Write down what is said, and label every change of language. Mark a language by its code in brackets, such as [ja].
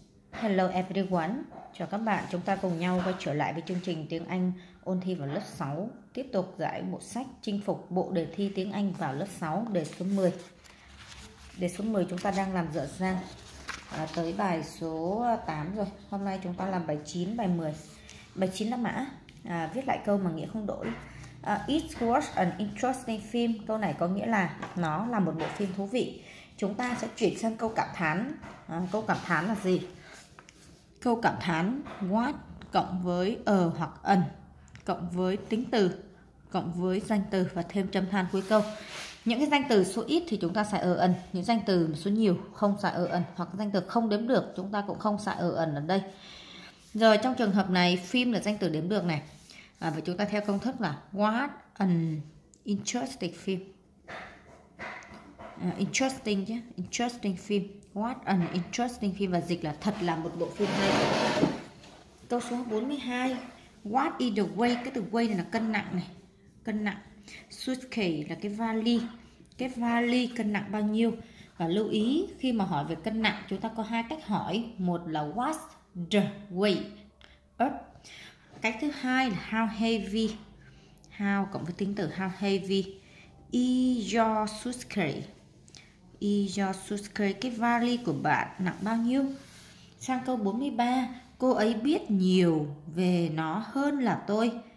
[en] Hello everyone, [vi] chào các bạn, chúng ta cùng nhau quay trở lại với chương trình tiếng Anh ôn thi vào lớp 6, tiếp tục giải bộ sách Chinh Phục bộ đề thi tiếng Anh vào lớp 6, đề số 10. Đề số 10 chúng ta đang làm dở dang tới bài số 8 rồi. Hôm nay chúng ta làm bài 9, bài 10. Bài 9 là mã viết lại câu mà nghĩa không đổi. [en] It was an interesting film. [vi] Câu này có nghĩa là nó là một bộ phim thú vị. Chúng ta sẽ chuyển sang câu cảm thán. Câu cảm thán là gì? Câu cảm thán what cộng với a hoặc an cộng với tính từ cộng với danh từ và thêm chấm than cuối câu. Những cái danh từ số ít thì chúng ta xài an, những danh từ số nhiều không xài an, hoặc danh từ không đếm được chúng ta cũng không xài an ở đây. Rồi trong trường hợp này phim là danh từ đếm được này. Và chúng ta theo công thức là [en] what an interesting film. Interesting [vi] chứ, [en] interesting film. What an interesting film, [vi] và dịch là thật là một bộ phim hay. Câu số 42. [en] What is the weight? [vi] Cái từ weight này là cân nặng này. Cân nặng. Suitcase là cái vali. Cái vali cân nặng bao nhiêu? Và lưu ý khi mà hỏi về cân nặng, chúng ta có hai cách hỏi. Một là [en] what's the weight up. [vi] Cách thứ hai là [en] how heavy. How [vi] cộng với tính từ [en] how heavy. Is your suitcase? Is your suitcase, [vi] cái vali của bạn nặng bao nhiêu? Sang câu 43, cô ấy biết nhiều về nó hơn là tôi.